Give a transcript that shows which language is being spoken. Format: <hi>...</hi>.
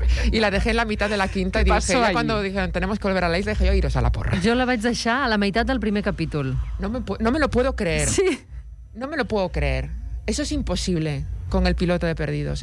<es>Y la dejé en la mitad de la quinta. Y dije, ya cuando dijeron, tenemos que volver a la isla, dije yo, iros a la porra.</es> <ca>Yo la vaig deixar a la meitat del primer capítol.</ca> <es>No me lo puedo creer. Sí. No me lo puedo creer. Eso es imposible con el piloto de Perdidos.</es>